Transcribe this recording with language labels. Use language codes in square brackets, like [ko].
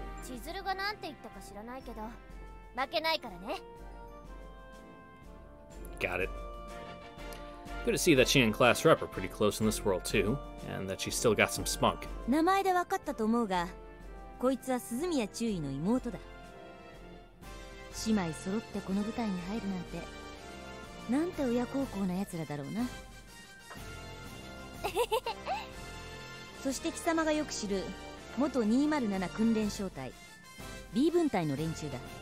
[ja] 千鶴がなんて言ったか知らないけど、負けないからね。 [en] Got it. Good to see that she and Class Rep are pretty close in this world too, and that she's still got some spunk. [ja] 名前で分かったと思うが、こいつは鈴宮中尉の妹だ。姉妹揃ってこの舞台に入るなんて、なんて親孝行な奴らだろうな。そして貴様がよく知る、元207訓練小隊、B 分隊の連中だ。